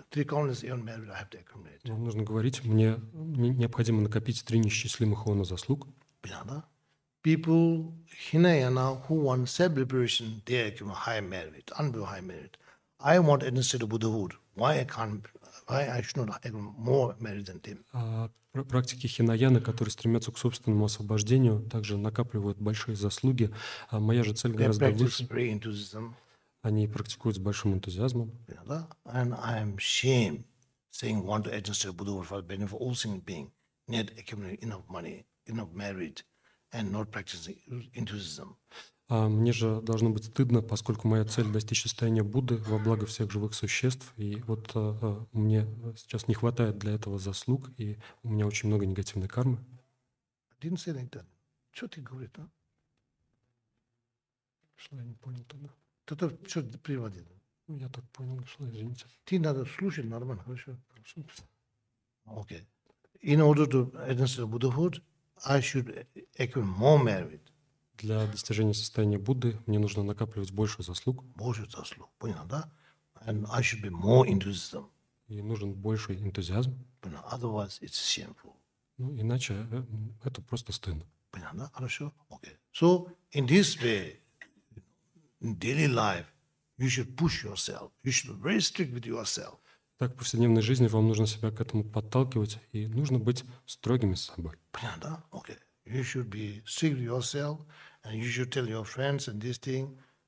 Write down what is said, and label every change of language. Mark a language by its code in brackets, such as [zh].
[ru] Вам нужно говорить, мне необходимо накопить три несчислимых ООНа заслуг. Понял, да? [en] People Hinayana who want self-liberation, they have high merit, unbelievable high merit. I want to enter the Buddhahood. Why I should not have more merit than them? [ru] Практики хинаяны, которые стремятся к собственному освобождению, также накапливают большие заслуги. Моя же цель гораздо выше. Они практикуют с большим энтузиазмом. [en] And I am ashamed saying want to enter the Buddhahood for the benefit of all single beings, not accumulate enough money, enough merit. And not practicing enthusiasm. [ru] Мне же должно быть стыдно, поскольку моя цель достичь состояния Будды во благо всех живых существ. И вот мне сейчас не хватает для этого заслуг, и у меня очень много негативной кармы. [en] I didn't say like that. [ru] Что ты говоришь, а? Что я не понял тогда? Это что ты приводил? Ну, я так понял, что, извините. Ты надо слушать нормально, хорошо? Хорошо. [en] Okay. In order to enter the Buddhahood, I should accumulate more merit. [ru] Для достижения состояния Будды мне нужно накапливать больше заслуг. Больше заслуг, понял, да? [en] And I should be more enthusiasm. [ru] И нужен больше энтузиазм. Понял, [en] otherwise it's shameful. [ru] Ну, иначе это просто стыдно. Понял, да? Хорошо, okay. [en] So in this way, in daily life, you should push yourself. You should be very strict with yourself. [ru] Так в повседневной жизни вам нужно себя к этому подталкивать и нужно быть строгими с собой. Понятно, да? Okay. [en] You should be strict with yourself and you should tell your friends and this thing.